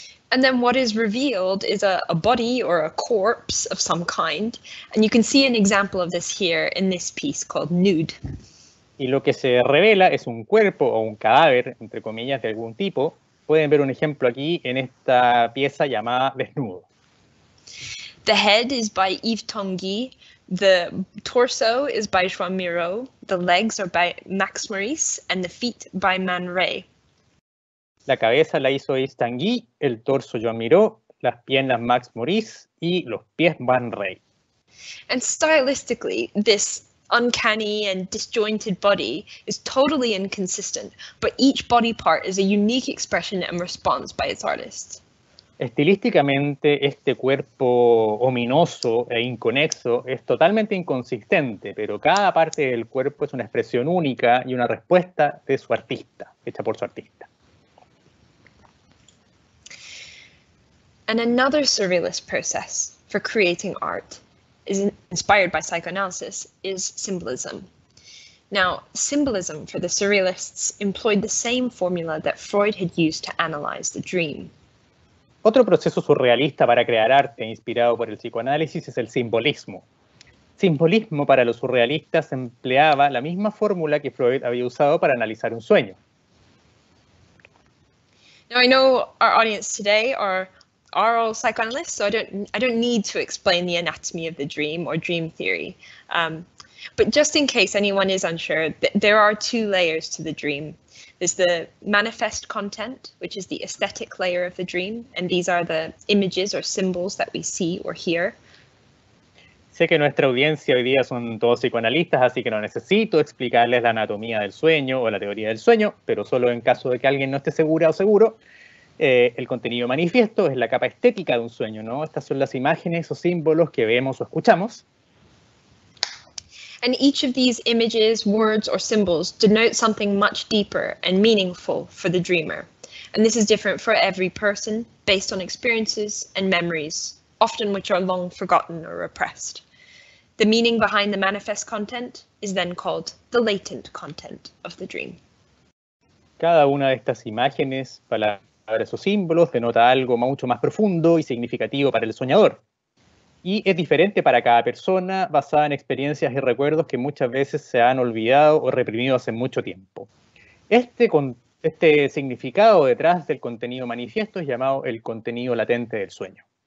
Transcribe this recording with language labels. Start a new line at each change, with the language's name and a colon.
English: And then what is revealed is a body or a corpse of some kind. And you can see an example of this here in this piece called Nude.
Spanish: Y lo que se revela es un cuerpo o un cadáver, entre comillas, de algún tipo. Pueden ver un ejemplo aquí en esta pieza llamada Desnudo.
English: The head is by Yves Tanguy, the torso is by Joan Miró, the legs are by Max Maurice, and the feet by Man Ray.
Spanish: La cabeza la hizo Yves Tanguy, el torso Joan Miró, las piernas Max Maurice y los pies Man Ray.
English: And stylistically, this uncanny and disjointed body is totally inconsistent, but each body part is a unique expression and response by its artist.
Spanish: Estilísticamente, este cuerpo ominoso e inconexo es totalmente inconsistente, pero cada parte del cuerpo es una expresión única y una respuesta de su artista, hecha por su artista.
English: And another surrealist process for creating art is inspired by psychoanalysis, is symbolism. Now, symbolism for the surrealists employed the same formula that Freud had used to analyze the dream.
Spanish: Otro proceso surrealista para crear arte inspirado por el psicoanálisis es el simbolismo. Simbolismo para los surrealistas empleaba la misma fórmula que Freud había usado para analizar un sueño.
English: Now, I know our audience today are all psychoanalysts, so I don't need to explain the anatomy of the dream or dream theory. But just in case anyone is unsure, there are two layers to the dream. There's the manifest content, which is the aesthetic layer of the dream, and these are the images or symbols that we see or hear.
Spanish: Sé que nuestra audiencia hoy día son todos psicoanalistas, así que no necesito explicarles la anatomía del sueño o la teoría del sueño, pero solo en caso de que alguien no esté segura o seguro. El contenido manifiesto es la capa estética de un sueño, ¿no? Estas son las imágenes o símbolos que vemos o escuchamos.
English: And each of these images, words or symbols denote something much deeper and meaningful for the dreamer. And this is different for every person based on experiences and memories, often which are long forgotten or repressed. The meaning behind the manifest content is then called the latent content of the dream.
Spanish: Cada una de estas imágenes, palabras, palabras o símbolos denota algo mucho más profundo y significativo para el soñador. Y es diferente para cada persona, basada en experiencias y recuerdos que muchas veces se han olvidado o reprimido hace mucho tiempo. Este significado detrás del contenido manifiesto es llamado el contenido latente del sueño.